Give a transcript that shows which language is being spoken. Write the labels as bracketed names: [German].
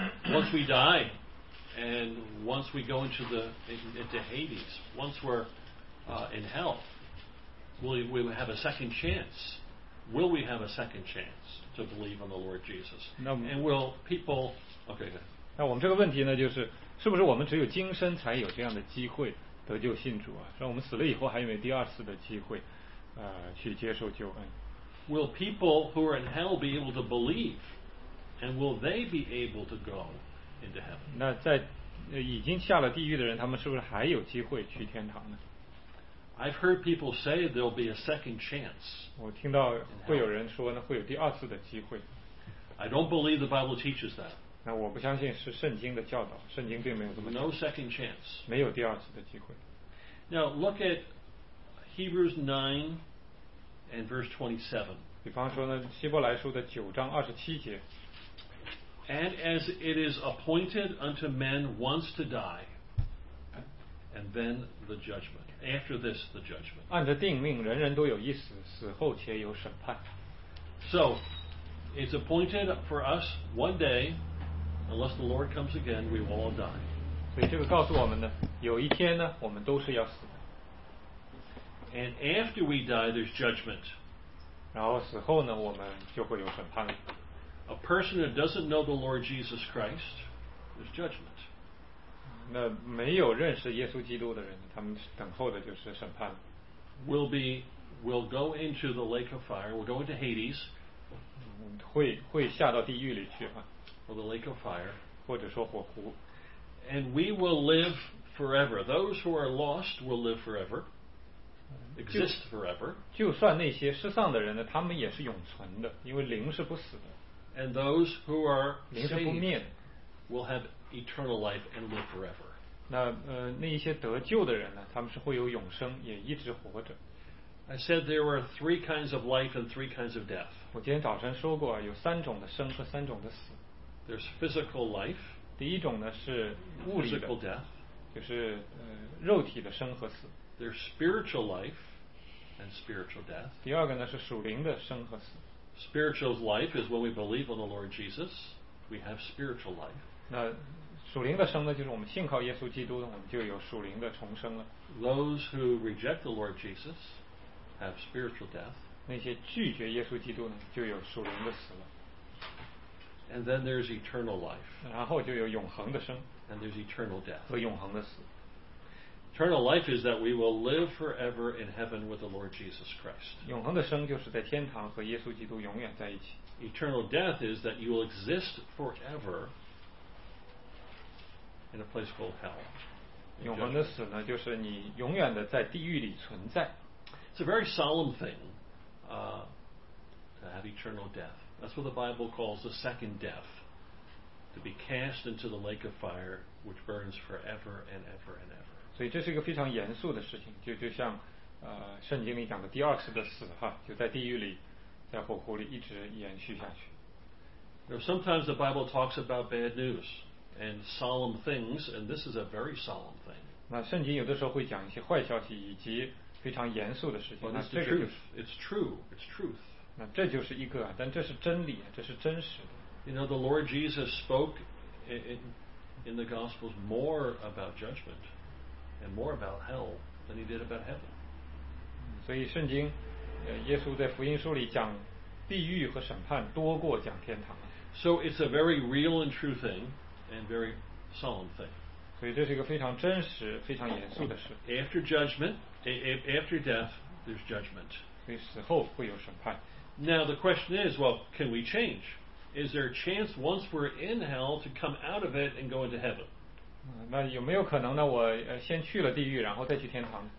[English] Once we die, and once we go into Hades, once we're in hell, will we have a second chance? Will we have a second chance to believe on the Lord Jesus? And will people? Okay. [Chinese] 那我们这个问题呢，就是是不是我们只有今生才有这样的机会得救信主啊？让我们死了以后还有没有第二次的机会，去接受救恩 [English] ？Will people who are in hell be able to believe? And will they be able to go into heaven? [Chinese] 那在已经下了地狱的人，他们是不是还有机会去天堂呢 [English] ？I've heard people say there'll be a second chance. [Chinese] 我听到会有人说呢，会有第二次的机会。 [English] I don't believe the Bible teaches that. [Chinese] 那我不相信是圣经的教导，圣经并没有这么。 [English] No second chance. [Chinese] 没有第二次的机会。 [English] Now look at Hebrews 9 and verse 27. [Chinese] 比方说呢，希伯来书的九章二十七节。 [English] And as it is appointed unto men once to die, and then the judgment. After this, the judgment. [Chinese] 按着定命，人人都有一死，死后且有审判。 [English] So, it's appointed for us one day. Unless the Lord comes again, we will all die. [Chinese] 所以这个告诉我们呢，有一天呢，我们都是要死的。 [English] And after we die, there's judgment. [Chinese] 然后死后呢，我们就会有审判。 [English] a person who doesn't know the Lord Jesus Christ is judgment. [Chinese] 那没有认识耶稣基督的人，他们等候的就是审判。 [English] Will go into the lake of fire. Will go into Hades. [Chinese] 会下到地狱里去啊。 [English] Or the lake of fire. [Chinese] 或者说火湖。 [English] And we will live forever. Those who are lost will live forever. Exist forever. [Chinese] 就算那些失丧的人呢，他们也是永存的，因为灵是不死的。 [English] And those who are [Chinese] 灵是不灭的。 [English] Will have eternal life and live forever. [Chinese] 那一些得救的人呢，他们是会有永生，也一直活着。 [English] I said there were three kinds of life and three kinds of death. [Chinese] 我今天早晨说过，有三种的生和三种的死。 [English] There's physical life. [Chinese] 第一种呢是物理的。 [English] Physical death. [Chinese] 就是肉体的生和死。 [English] There's spiritual life and spiritual death. [Chinese] 第二个呢是属灵的生和死。 [English] Spiritual life is when we believe on the Lord Jesus. We have spiritual life. [Chinese] 那属灵的生呢，就是我们信靠耶稣基督，我们就有属灵的重生了。 [English] Those who reject the Lord Jesus have spiritual death. [Chinese] 那些拒绝耶稣基督呢，就有属灵的死了。 [English] And then there's eternal life. [Chinese] 然后就有永恒的生。 [English] And there's eternal death. [Chinese] 和永恒的死。 [English] Eternal life is that we will live forever in heaven with the Lord Jesus Christ. [Chinese] 永恒的生就是在天堂和耶稣基督永远在一起。 [English] Eternal death is that you will exist forever in a place called hell. [Chinese] 永恒的死呢，就是你永远的在地狱里存在。 [English] It's a very solemn thing, to have eternal death. That's what the Bible calls the second death, to be cast into the lake of fire, which burns forever and ever and ever. [Chinese] 所以这是一个非常严肃的事情，就像，圣经里讲的第二次的死哈，就在地狱里。在火湖里一直延续下去。 [English] Now, sometimes the Bible talks about bad news and solemn things, and this is a very solemn thing. [Chinese] 那圣经有的时候会讲一些坏消息以及非常严肃的事情。那这个就是 [English] it's true. It's truth. [Chinese] 那这就是一个，但这是真理，这是真实的。 [English] You know, the Lord Jesus spoke in the Gospels more about judgment and more about hell than he did about heaven. [Chinese] 所以圣经。耶稣在福音书里讲地狱和审判多过讲天堂。 [English] So it's a very real and true thing and very solemn thing. [Chinese] 所以这是一个非常真实非常严肃的事。 [English] After judgment, after death, there's judgment. [Chinese] 所以死后会有审判。 [English] Now the question is, well, can we change? Is there a chance once we're in hell to come out of it and go into heaven? [Chinese] 那有没有可能呢我先去了地狱然后再去天堂。